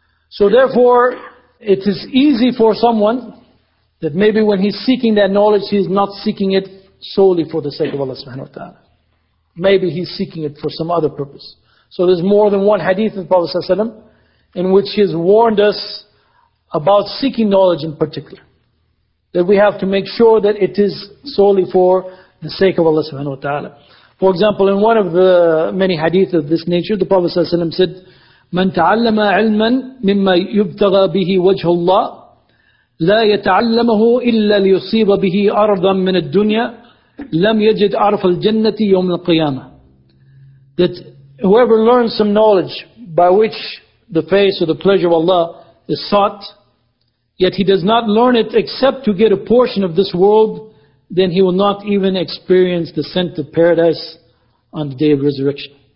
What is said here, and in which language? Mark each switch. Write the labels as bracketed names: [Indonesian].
[English] So therefore, it is easy for someone that maybe when he's seeking that knowledge, he's not seeking it solely for the sake of Allah subhanahu wa ta'ala. Maybe he's seeking it for some other purpose. So there's more than one hadith of the Prophet sallallahu alaihi wasallam in which he has warned us about seeking knowledge in particular. That we have to make sure that it is solely for the sake of Allah subhanahu wa ta'ala. [Arabic] For example, in one of the many hadith of this nature, the Prophet sallallahu alaihi wasallam said, مَنْ تَعَلَّمَ عِلْمًا مِمَّا يُبْتَغَى بِهِ وَجْهُ اللَّهِ لَا يَتَعَلَّمَهُ إِلَّا لِيُصِيبَ بِهِ أَرْضًا مِنَ الدُّنْيَا لَمْ يَجِدْ عَرْفَ الْجَنَّةِ يَوْمِ الْقِيَامَةِ. [English] That whoever learns some knowledge by which the face or the pleasure of Allah is sought, yet he does not learn it except to get a portion of this world, then he will not even experience the scent of paradise on the day of resurrection.